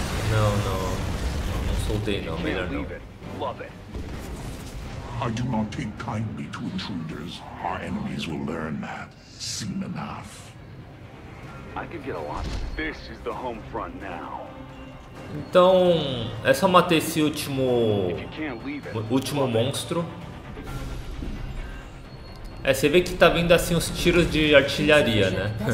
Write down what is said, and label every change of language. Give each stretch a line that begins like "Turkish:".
Portuguese: Não. Soltei não, melhor não.
English: of it. I do not take kindly to intruders. Our enemies will learn that soon enough. I could get a lot. This is the home front now.
Portuguese: Então, é só matar esse último monstro. É, você vê que tá vindo assim os tiros de artilharia, né?